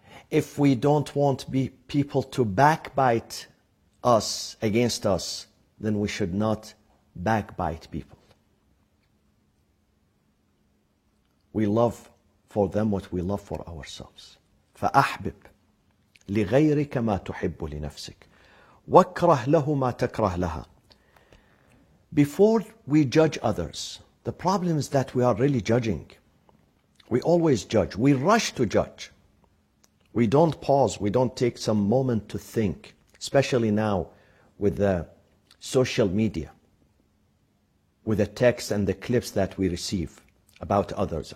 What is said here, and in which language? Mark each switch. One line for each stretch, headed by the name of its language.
English: If we don't want people to backbite us against us, then we should not backbite people. We love for them what we love for ourselves.
Arabic: فأحبب لغيرك ما تحب لنفسك وكره له ما تكره لها.
English: Before we judge others, the problem is that we are really judging. We always judge. We rush to judge. We don't pause. We don't take some moment to think, especially now with the social media, with the texts and the clips that we receive about others.